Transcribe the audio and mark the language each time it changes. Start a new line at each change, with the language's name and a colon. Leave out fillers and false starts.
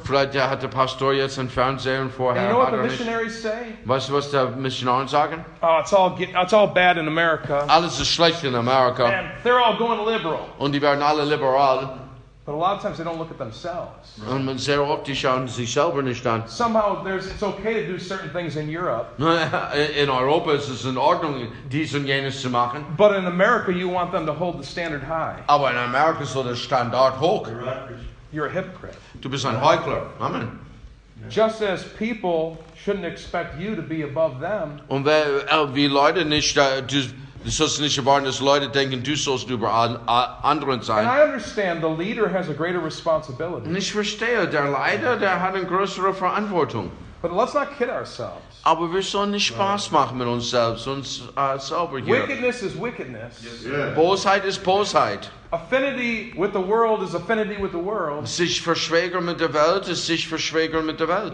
German: Vielleicht hat der Pastor jetzt einen Fernseher und vorher hat er nicht.
English: Missionaries say?
German: Weißt du, was die Missionaren sagen?
English: Oh, it's all bad in America.
German: Alles ist schlecht in Amerika.
English: And they're all going liberal.
German: Und die werden alle liberal.
English: But a lot of times they don't look at themselves.
German: Und sehr oft die schauen sich selber nicht an.
English: Somehow it's okay to do certain things in Europe.
German: In Europa ist es in Ordnung, dies und jenes zu machen.
English: But in America you want them to hold the standard high.
German: Aber in Amerika soll der Standard hoch.
English: You're a hypocrite.
German: Du bist ein Heuchler. Amen.
English: Just as people shouldn't expect you to be above them.
German: Und wie Leute nicht, du sollst nicht erwarten, dass Leute denken, du sollst über anderen sein.
English: And I understand the leader has a greater responsibility.
German: Und ich verstehe, der Leiter, der hat eine größere Verantwortung.
English: But let's not kid ourselves.
German: Aber wir sollen nicht Spaß machen mit uns selbst, selber hier.
English: Wickedness is wickedness.
German: Yes. Bosheit ist Bosheit.
English: Affinity with the world is affinity with the world.
German: Sich verschwägern mit der Welt ist sich verschwägern mit der Welt.